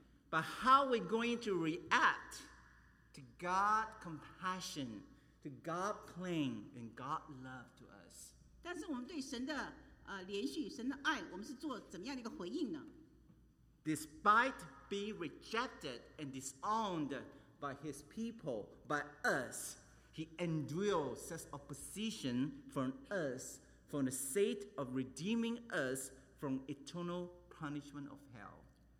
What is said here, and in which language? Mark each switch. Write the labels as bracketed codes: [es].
[en] But how are we going to react to God's compassion, to God's plan and God's love? [zh] 但是我们对神的连续神的爱，我们是做怎么样的一个回应呢？ [en] Despite being rejected and disowned by his people, by us, he endured such opposition from us for the sake of redeeming us from eternal punishment of hell.